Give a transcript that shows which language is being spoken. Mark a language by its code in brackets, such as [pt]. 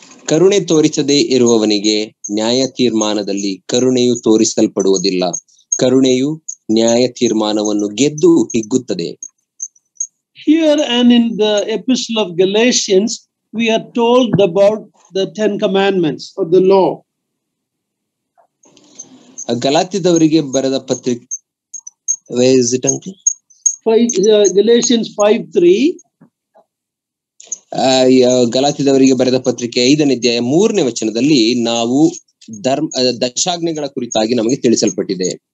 [kn] ಕರುಣೆ ತೋರಿಸದೆ ಇರುವವನಿಗೆ ನ್ಯಾಯ ತೀರ್ಮಾನದಲ್ಲಿ ಕರುಣೆಯು ತೋರಿಸಲ್ಪಡುವುದಿಲ್ಲ. ಕರುಣೆಯು ನ್ಯಾಯ ತೀರ್ಮಾನವನ್ನು ಗೆದ್ದು ಹಿಗ್ಗುತ್ತದೆ. [en] Here and in the Epistle of Galatians, we are told about the Ten Commandments of the law. [kn] ಗಲಾತ್ಯದವರಿಗೆ ಬರೆದ ಪತ್ರಿಕೆ ಐದನೇ ಅಧ್ಯಾಯ ಮೂರನೇ ವಚನದಲ್ಲಿ ನಾವು ಧರ್ಮ ದಶಾಜ್ಞೆಗಳ ಕುರಿತಾಗಿ ನಮಗೆ ತಿಳಿಸಲ್ಪಟ್ಟಿದೆ.